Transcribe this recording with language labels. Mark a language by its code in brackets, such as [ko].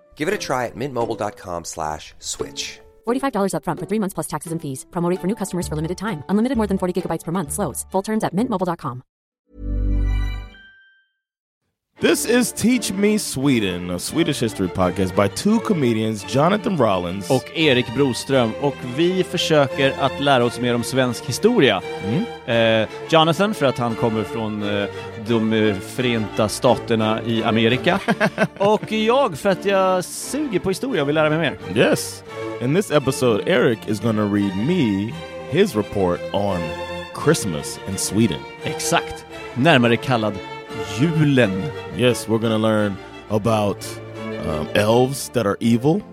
[en] Give it a try at mintmobile.com/switch. $45 up front for 3 months plus taxes and fees. Promo rate for new customers for limited time. Unlimited more than 40 gigabytes per month slows. Full terms at mintmobile.com. This is Teach Me Sweden, a Swedish history podcast by two comedians, Jonathan Rollins [sv] och Erik Broström, och vi försöker att lära oss mer om svensk historia. Mm. Jonathan, för att han kommer från de Förenta staterna i Amerika, och jag, för att jag suger på historia och vill lära mig mer. [en] Yes, in this episode Erik is going to read me his report on Christmas in Sweden. [sv] Exakt, närmare kallad julen. [en] Yes, we're gonna learn about elves that are evil.